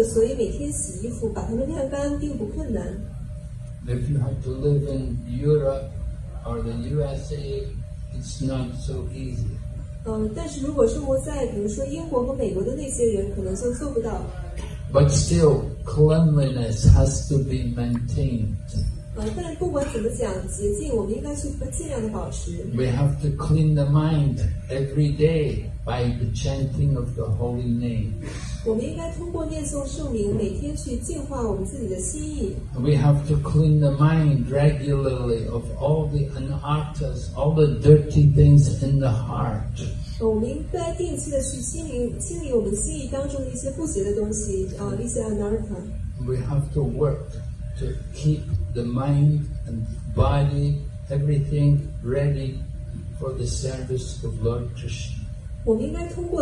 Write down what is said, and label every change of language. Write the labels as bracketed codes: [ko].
[zh] 在马来西亚这个国家比较炎热，所以每天洗衣服把它们晾干并不困难。 [en] If you have to live in Europe or the USA, it's not so easy. [zh] 但是如果生活在比如说英国和美国的那些人，可能就做不到。 [en] But still, cleanliness has to be maintained. [zh] 但不管怎么讲，洁净我们应该去尽量的保持。 [en] We have to clean the mind every day by the chanting of the holy name. [zh] 我们应该通过念诵圣名每天去净化我们自己的心意。 [en] We have to clean the mind regularly of all the anarthas, all the dirty things in the heart. [zh] 我们应该定期的去清理我们心意当中的一些不洁的东西，一些anartha。 [en] We have to work to keep the mind and body, everything ready for the service of Lord Krishna.